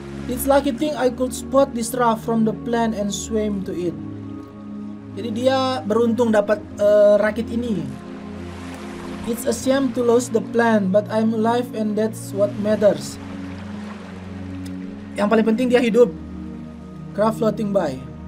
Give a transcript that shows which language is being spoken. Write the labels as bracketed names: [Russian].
[English] It's lucky thing I could spot this raft from the plane and swim to it. [Indonesian] Jadi dia beruntung dapat rakit ini. [English] It's a shame to lose the plane, but I'm alive and that's what matters. [Indonesian] Yang paling penting dia hidup. [English] Craft floating by.